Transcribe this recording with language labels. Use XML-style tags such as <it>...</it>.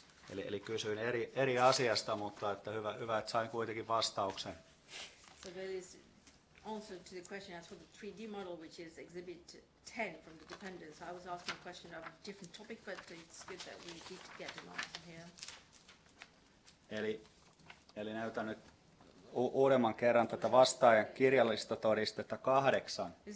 <fi>Eli kysyin eri asiasta, mutta että hyvä, että sain kuitenkin vastauksen.</fi> <en>So there is answer to the question as for the 3D model, which is exhibit 10 from the dependents. I was asking a question of a different topic, but it's good that we did get an answer here.</en> <fi>Eli näytän nyt uudemman kerran tätä vastaajan kirjallista todistetta 8.</fi>